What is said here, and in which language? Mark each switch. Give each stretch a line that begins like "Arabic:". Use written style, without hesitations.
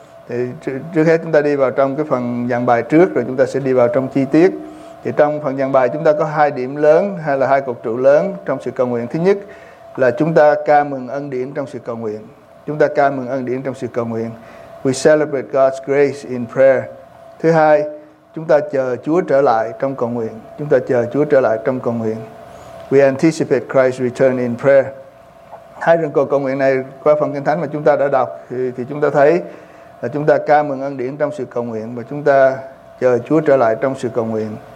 Vietnamese: Thì trước hết chúng ta đi vào trong cái phần giảng bài trước, rồi chúng ta sẽ đi vào trong chi tiết. Thì trong phần giảng bài chúng ta có hai điểm lớn hay là hai cột trụ lớn trong sự cầu nguyện. Thứ nhất là chúng ta ca mừng ân điển trong sự cầu nguyện. Chúng ta ca mừng ân điển trong sự cầu nguyện.
English: We celebrate God's grace in prayer.
Vietnamese: Thứ hai, chúng ta chờ Chúa trở lại trong cầu nguyện. Chúng ta chờ Chúa trở lại trong cầu nguyện.
English: We anticipate Christ's return in prayer.
Vietnamese: Hai rừng cầu nguyện này qua phần Kinh Thánh mà chúng ta đã đọc thì chúng ta thấy là chúng ta ca mừng ân điển trong sự cầu nguyện và chúng ta chờ Chúa trở lại trong sự cầu nguyện.